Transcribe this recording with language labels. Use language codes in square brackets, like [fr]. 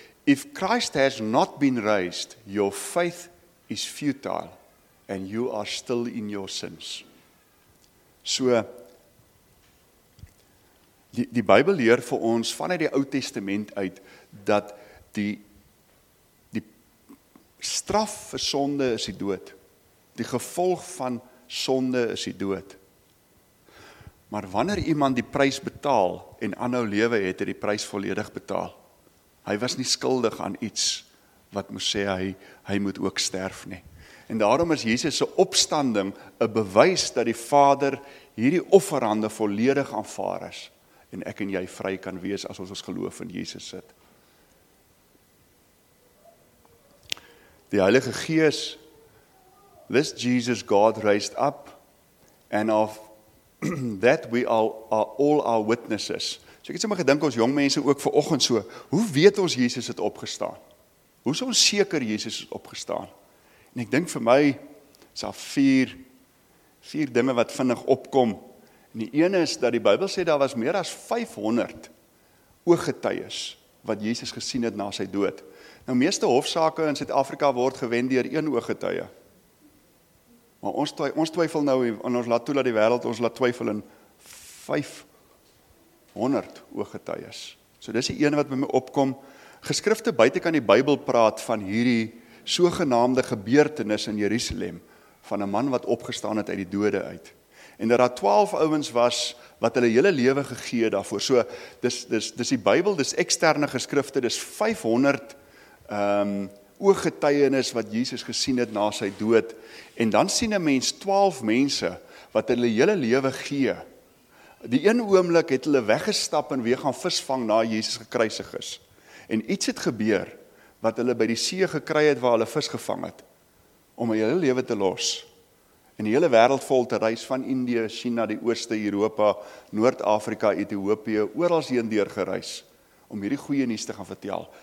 [en] If Christ has not been raised, your faith is futile. And you are still in your sins. [af] So, die Bybel leer vir ons vanuit die Ou Testament uit, dat die straf vir sonde is die dood. Die gevolg van sonde is die dood. Maar wanneer iemand die prys betaal, en aanhou lewe het, hy die prys volledig betaal. Hy was nie skuldig aan iets, wat moes sê hy moet ook sterf nie. En daarom is Jesus se opstanding 'n bewys dat die Vader hierdie offerande volledig aanvaar is en ek en jy vry kan wees as ons geloof in Jesus sit. Die Heilige Gees, [en] this Jesus God raised up and of that we are all our witnesses. [af] So ek het sommer gedink ons jong mense ook vanoggend so, hoe weet ons Jesus het opgestaan? Hoe is ons seker Jesus het opgestaan? En ek dink vir my, is daar vier dinge wat vinnig opkom. En die ene is dat die Bybel sê, daar was meer as 500 ooggetuies wat Jesus gesien het na sy dood. Nou, meeste hofsake in Suid-Afrika word gewend deur een ooggetuie. Maar ons twyfel nou, en ons laat toe dat die wêreld, ons laat twyfel in 500 ooggetuies. So, dis die ene wat by my opkom. Geskrifte buitekant die Bybel praat van hierdie sogenaamde gebeurtenis in Jerusalem van 'n man wat opgestaan het uit die dode uit. En dat daar 12 ouens was wat hulle hele lewe gegee daarvoor. So, dis die Bybel, dis eksterne geskrifte, dis 500 ooggetuienis wat Jesus gesien het na sy dood. En dan sien 'n mens 12 mense wat hulle hele lewe gee. Die een oomblik het hulle weggestap en weer gaan visvang na Jesus gekruisig is. En iets het gebeur wat hulle by die see gekry het waar hulle vis gevang het, om hy hulle lewe te los, en die hele wêreld vol te reis, van Indië, China, die Ooste, Europa, Noord-Afrika, Ethiopië, oral heen deur gereis, om hierdie goeie nuus te gaan vertel.